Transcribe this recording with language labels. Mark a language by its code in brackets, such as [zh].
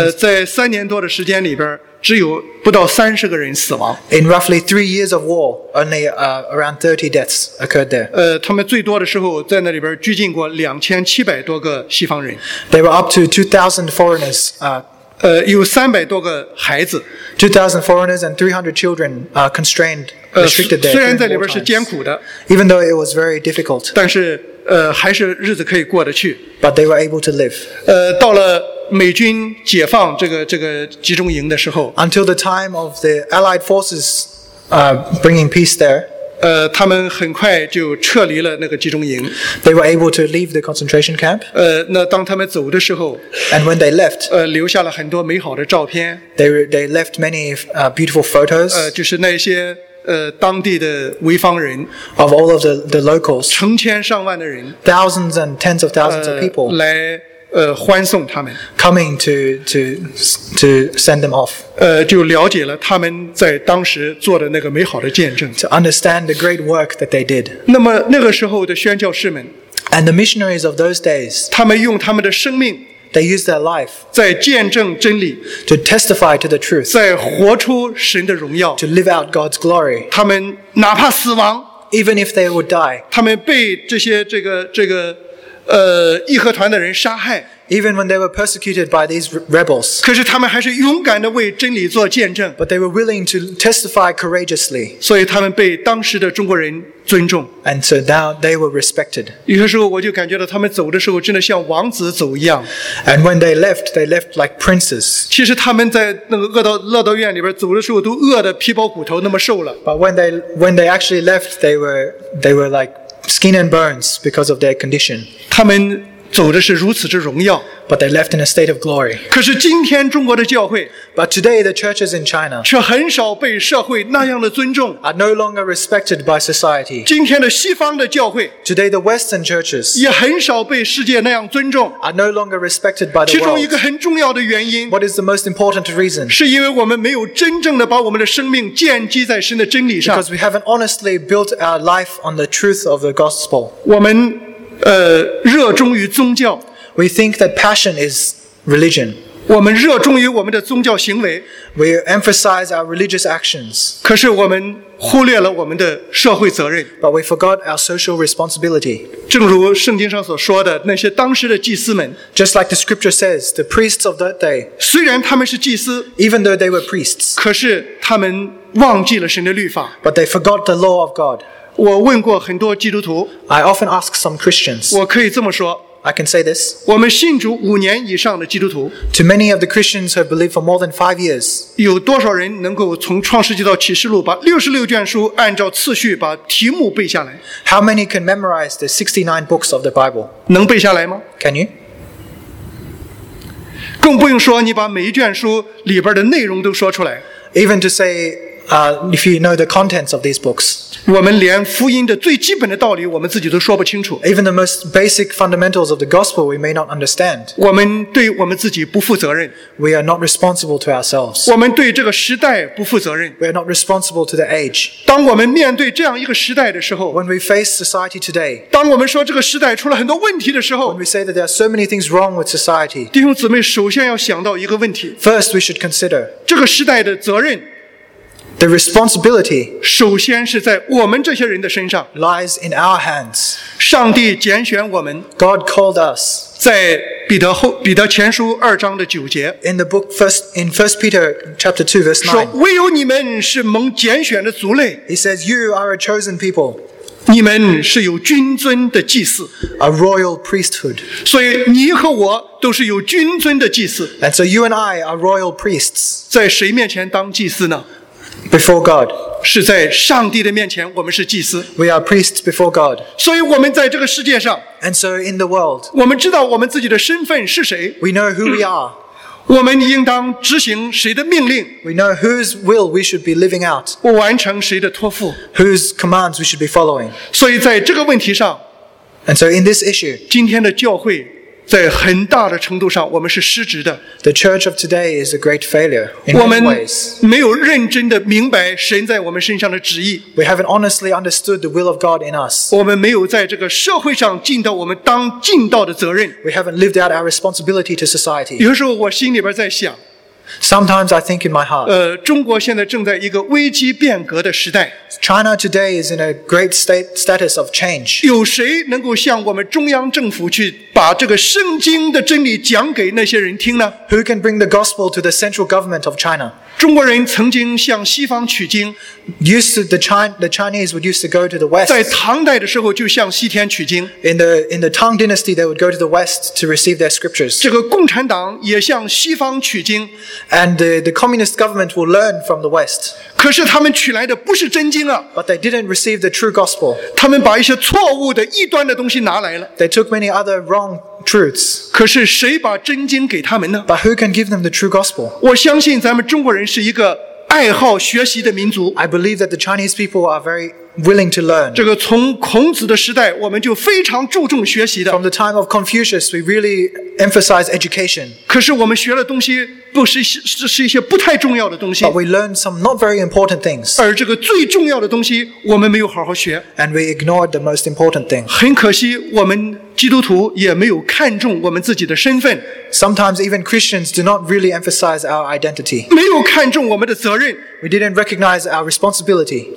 [zh] 在三年多的时间里边，只有不到三十个人死亡。 [en] In roughly 3 years of war, only around 30 deaths occurred there. [zh] 他们最多的时候在那里边拘禁过2700多个西方人。 [en] There were up to 2,000 foreigners. [zh] 有300多个孩子。 [en] 2,000 foreigners and 300 children are constrained, restricted there. [zh] 虽然在里边是艰苦的 [en] ，even though it was very difficult. [zh] 但是还是日子可以过得去。 [en] But they were able to live. [zh] 到了美军解放这个集中营的时候 [en] ，until the time of the Allied forces bringing peace there. [zh] 他们很快就撤离了那个集中营。 [en] They were able to leave the concentration camp. [zh] 那当他们走的时候 [en] ，and when they left, [zh] 留下了很多美好的照片。 [en] They left many beautiful photos. [zh] 就是那些。当地的潍坊人 [en] of all of the locals, [zh] 成千上万的人 [en] thousands and tens of thousands of people, [zh] 来欢送他们 [en] coming to send them off, [zh] 就了解了他们在当时做的那个美好的见证 [en] to understand the great work that they did. [zh] 那么那个时候的宣教士们 [en] and the missionaries of those days, [zh] 他们用他们的生命 [en] They use their life [zh] 在见证真理 [en] to testify to the truth [zh] 在活出神的荣耀 [en] to live out God's glory [zh] 他们哪怕死亡 [en] even if they would die [zh] 他们被这些这个义和团的人杀害 [en] even when they were persecuted by these rebels [zh] 可是他们还是勇敢地为真理做见证 [en] but they were willing to testify courageously [zh] 所以他们被当时的中国人尊重 [en] and so now they were respected. [zh] 有些时候我就感觉到他们走的时候真的像王子走一样。 [en] And when they left like princes. [zh] 其实他们在那个乐道院里边走的时候都饿得皮包骨头那么瘦了。 [en] But when they actually left, they were like skin and bones because of their condition. [zh] 他们走的是如此之荣耀。 [en] But they left in a state of glory. [zh] 可是今天中国的教会 [en] But today the churches in China [zh] 却很少被社会那样的尊重 [en] are no longer respected by society. [zh] 今天的西方的教会 [en] today the Western churches [zh] 也很少被世界那样尊重 [en] are no longer respected by the world. [zh] 其中一个很重要的原因 [en] What is the most important reason? [zh] 是因为我们没有真正的把我们的生命建基在神的真理上 [en] Because we haven't honestly built our life on the truth of the gospel. [zh] 我们热衷于宗教 [en] We think that passion is religion. [zh] 我们热衷于我们的宗教行为 [en] We emphasize our religious actions. [zh] 可是我们忽略了我们的社会责任 [en] But we forgot our social responsibility. [zh] 正如圣经上所说的那些当时的祭司们 [en] Just like the scripture says, the priests of that day. [zh] 虽然他们是祭司 [en] Even though they were priests. [zh] 可是他们忘记了神的律法 [en] But they forgot the law of God. [zh] 我问过很多基督徒 [en] I often ask some Christians [zh] 我可以这么说 [en] I can say this [zh] 我们信主五年以上的基督徒 [en] To many of the Christians who have believed for more than 5 years [zh] 有多少人能够从创世纪到启示录把66卷书按照次序把题目背下来 [en] How many can memorize the 69 books of the Bible [zh] 能背下来吗 [en] Can you? [zh] 更不用说你把每一卷书里边的内容都说出来 [en] Even to sayIf you know the contents of these books, [zh] 我们连福音的最基本的道理我们自己都说不清楚。 [en] Even the most basic fundamentals of the gospel we may not understand. [zh] 我们对我们自己不负责任。 [en] We are not responsible to ourselves. [zh] 我们对这个时代不负责任。 [en] We are not responsible to the age. [zh] 当我们面对这样一个时代的时候 [en] ，When we face society today, [zh] 当我们说这个时代出了很多问题的时候 [en] ，When we say that there are so many things wrong with society, [zh] 弟兄姊妹首先要想到一个问题 [en] ，First we should consider [zh] 这个时代的责任。 [en] The responsibility [zh] 首先是在我们这些人的身上 [en] lies in our hands. [zh] 上帝拣选我们 [en] God called us. [zh] 在彼得前书二章的九节 [en] in the book first Peter chapter 2 verse 9, [zh] 说唯有你们是蒙拣选的族类 [en] He says you are a chosen people. [zh] 你们是有君尊的祭司 [en] a royal priesthood. [zh] 所以你和我都是有君尊的祭司 [en] and so you and I are royal priests. [zh] 在谁面前当祭司呢？ [en] Before God, [zh] 是在上帝的面前，我们是祭司。 [en] We are priests before God. [zh] 所以我们在这个世界上 [en] ，and so in the world, [zh] 我们知道我们自己的身份是谁。 [en] We know who we are. [zh] 我们应当执行谁的命令。 [en] We know whose will we should be living out. [zh] 完成谁的托付。 [en] Whose commands we should be following. [zh] 所以在这个问题上 [en] ，and so in this issue, [zh] 今天的教会。在很大的程度上，我们是失职的。 [en] The church of today is a great failure in many ways. [zh] 我们没有认真的明白神在我们身上的旨意。 [en] We haven't honestly understood the will of God in us. [zh] 我们没有在这个社会上尽到我们当尽到的责任。 [en] We haven't lived out our responsibility to society. [zh] 有时候我心里边在想。 [en] Sometimes I think in my heart. [zh] 中国现在正在一个危机变革的时代。 [en] China today is in a great status of change. [zh] 有谁能够向我们中央政府去把这个圣经的真理讲给那些人听呢 [en] ？Who can bring the gospel to the central government of China? [zh] 中国人曾经向西方取经。 [en] The Chinese would used to go to the West. [zh] 在唐代的时候就向西天取经。 [en] In the Tang Dynasty, they would go to the West to receive their scriptures. [zh] 这个共产党也向西方取经。 [en] And the communist government will learn from the West. [zh] 可是他们取来的不是真。 [en] But they didn't receive the true gospel. [zh] 他们把一些错误的异端的东西拿来了。 [en] They took many other wrong truths. [zh] 可是谁把真经给他们呢 [en] ？But who can give them the true gospel? [zh] 我相信咱们中国人是一个爱好学习的民族。 [en] I believe that the Chinese people are very willing to learn. [zh] 这个从孔子的时代，我们就非常注重学习的。 [en] From the time of Confucius, we really emphasize education. [zh] 可是我们学的东西。是一些不太重要的东西。 [en] But we learned some not very important things. [zh] 而这个最重要的东西，我们没有好好学。 [en] And we ignored the most important thing. [zh] 很可惜，我们基督徒也没有看重我们自己的身份。 [en] Sometimes even Christians do not really emphasize our identity. [zh] 没有看重我们的责任。 [en] We didn't recognize our responsibility.